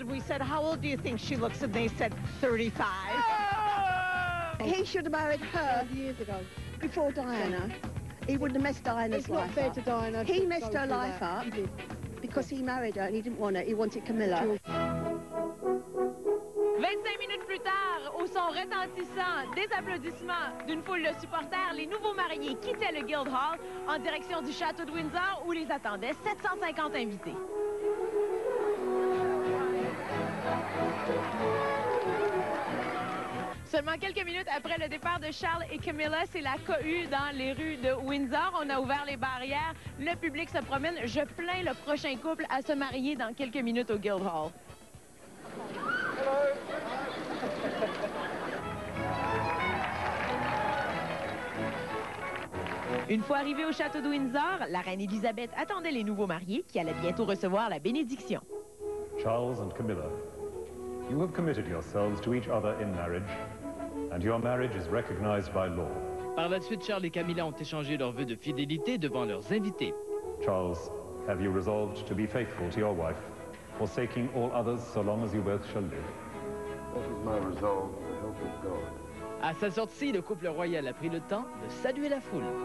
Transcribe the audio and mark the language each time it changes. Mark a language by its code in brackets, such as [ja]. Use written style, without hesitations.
[en] And we said, how old do you think she looks? And they said, 35. Oh! He should have married her 5 years ago. Before Diana. He wouldn't have messed Diana's life up. It's not fair to Diana. He messed her life up because he married her and he didn't want her. He wanted Camilla. [fr] 25 minutes plus tard, au son retentissant des applaudissements d'une foule de supporters, les nouveaux mariés quittaient le Guildhall en direction du château de Windsor où les attendaient 750 invités. Seulement quelques minutes après le départ de Charles et Camilla, c'est la cohue dans les rues de Windsor. On a ouvert les barrières, le public se promène. Je plains le prochain couple à se marier dans quelques minutes au Guildhall. [en] Hello. [fr] Une fois arrivés au château de Windsor, la reine Elizabeth attendait les nouveaux mariés qui allaient bientôt recevoir la bénédiction. [en] Charles and Camilla, you have committed yourselves to each other in marriage. And your marriage is recognized by law. [fr] Par la suite, Charles et Camilla ont échangé leurs vœux de fidélité devant leurs invités. [en] Charles, have you resolved to be faithful to your wife, forsaking all others so long as you both shall live? That is my resolve, the help of God. [fr] À sa sortie, le couple royal a pris le temps de saluer la foule.